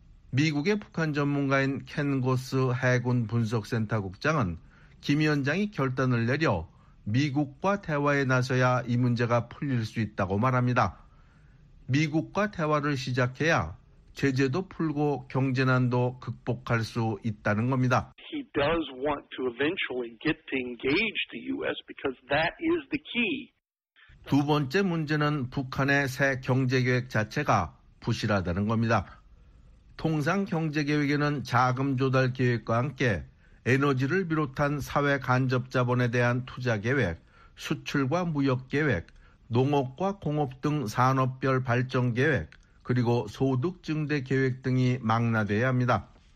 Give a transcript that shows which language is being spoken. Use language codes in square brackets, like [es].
[ko] 미국의 북한 전문가인 켄 고스 해군 분석센터 국장은 김 위원장이 결단을 내려 미국과 대화에 나서야 이 문제가 풀릴 수 있다고 말합니다. 미국과 대화를 시작해야 제재도 풀고 경제난도 극복할 수 있다는 겁니다. [en] He does want to eventually get to engage the US because that is the key. [ko] 두 번째 문제는 북한의 새 경제계획 자체가 부실하다는 겁니다. 통상 경제계획에는 자금 조달 계획과 함께 에너지를 비롯한 사회 간접 자본에 대한 투자 계획, 수출과 무역 계획, 농업과 공업 등 산업별 발전 계획, 그리고 소득 증대 계획 등이 망라돼야 합니다.